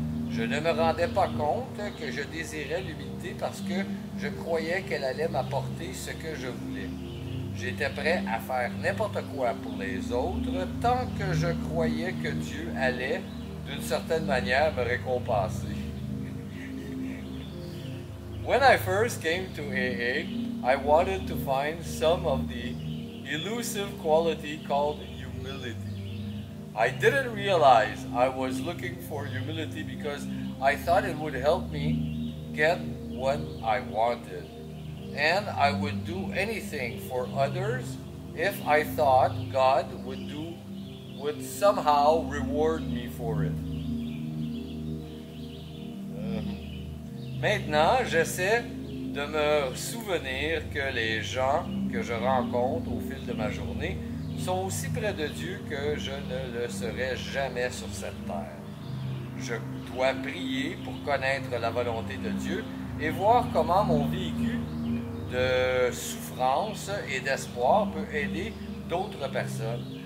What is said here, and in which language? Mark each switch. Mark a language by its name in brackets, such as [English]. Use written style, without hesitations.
[French] Je ne me rendais pas compte que je désirais l'humilité parce que je croyais qu'elle allait m'apporter ce que je voulais. J'étais prêt à faire n'importe quoi pour les autres tant que je croyais que Dieu allait, d'une certaine manière, me récompenser. [English] When I first came to AA, I wanted to find some of the elusive quality called humility. I didn't realize I was looking for humility because I thought it would help me get what I wanted. And I would do anything for others if I thought God would somehow reward me for it. [French] Maintenant, j'essaie de me souvenir que les gens que je rencontre au fil de ma journée sont aussi près de Dieu que je ne le serai jamais sur cette terre. Je dois prier pour connaître la volonté de Dieu et voir comment mon vécu de souffrance et d'espoir peut aider d'autres personnes.